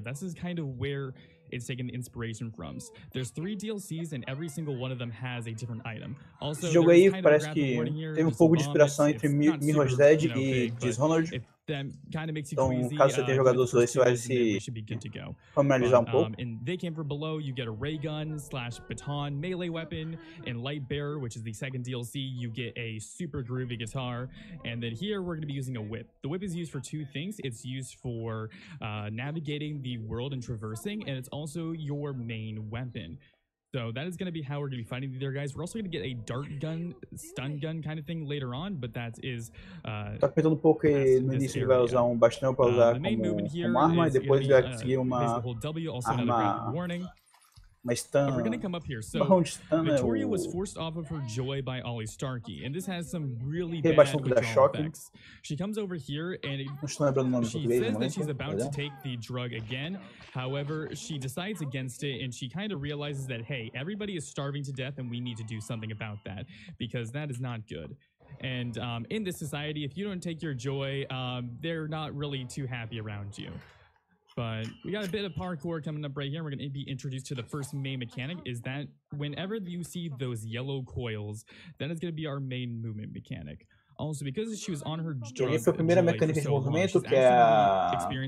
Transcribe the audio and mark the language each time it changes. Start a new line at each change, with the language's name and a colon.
English: This is kind of where it's taken inspiration from. There's three DLCs and every single one of them has a different item. Also,
Portuguese: jogo aí parece que teve um pouco de inspiração entre Mirror's Edge e Dishonored. Então, caso você tenha jogado os dois, você vai se familiarizar um pouco.
English: In They Came From Below, you get a ray gun / baton melee weapon. In Lightbearer, which is the second DLC, you get a super groovy guitar. And then here, we're going to be using a whip. The whip is used for two things. It's used for navigating the world and traversing, and it's also your main weapon. So that is going to be how we're going to be fighting the other guys. We're also going to get a dart gun, stun gun kind of thing later on, but that is...
Portuguese: Tá comentando um pouco no início ele vai usar um bastão para usar como arma, e depois ele vai conseguir uma arma stun.
English: We're going to come up here. So Victoria was forced off of her joy by Ollie Starkey, and this has some really bad effects. She comes over here, and she says that she's about to take the drug again. However, she decides against it, and she kind of realizes that, hey, everybody is starving to death, and we need to do something about that, because that is not good. And in this society, if you don't take your joy, they're not really too happy around you. But we got a bit of parkour coming up right here. We're going to be introduced to the first main mechanic, is that whenever you see those yellow coils, that is going to be our main movement mechanic. Also, because she was on her journey,
Portuguese: foi a primeira mecânica de movimento, que é a...